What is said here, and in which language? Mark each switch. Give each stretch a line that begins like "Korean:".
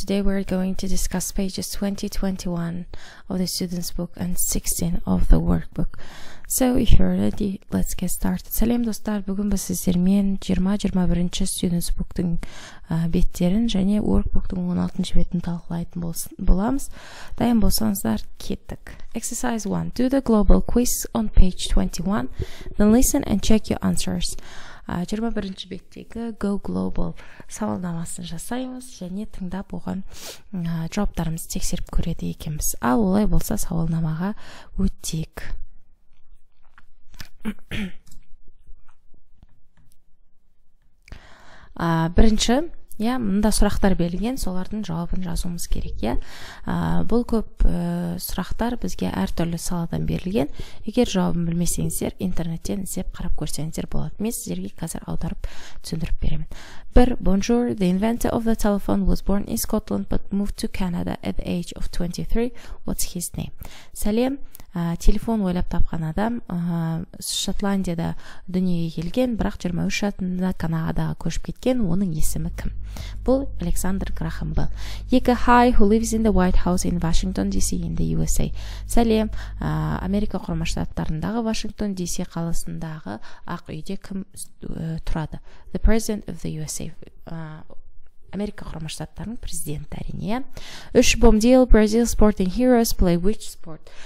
English: Today we're going to discuss pages 20, 21 of the student's book and 16 of the workbook. So, if you're ready, let's get started.
Kazakh: Сәлем, достар. Бүгін біз сіздермен 20-21 student's book-тың беттерін және workbook-тың 16 бетін талқылайтын боламыз. Дайын болсаңыздар, кеттік.
English: Exercise 1. Do the global quiz on page 21. Then listen and check your answers.
Kazakh: 21-ші беттегі Go Global сауалнамасын жасаймыз және тыңдап оған жауаптарымызды тексеріп көреді екенбіз. Ал олай болса сауалнамаға өттек. Бірінші, мында сұрақтар берілген, солардың жауабын жазуымыз керек. Бұл көп сұрақтар бізге әр түрлі саладан берілген. Егер жауабын білмесеңіздер, интернеттен іздеп қарап көрсеңіздер болады. Мен сіздерге қазір аударып түсіндіріп беремін. Бір,
French: Bonjour,
English: the inventor of the telephone was born in Scotland but moved to Canada at the age of 23. What's his name?
Kazakh: Сәлем. Телефон ойлап тапқан адам Шотландияда дүниеге келген, бірақ 23 жасында Канадаға көшіп кеткен, оның есімі кім? Бұл Александр Грахам Белл. Екі,
English: Hi, who lives in the White House in Washington DC in the USA?
Kazakh: Сәлем, Америка құрама штаттарындағы Washington DC қаласындағы ақ үйде кім тұрады?
English: The president of the USA.
Kazakh: Америка құрама штаттарының президенті әрине. Үш,
English: Бомдил, Brazil sporting heroes play which sport?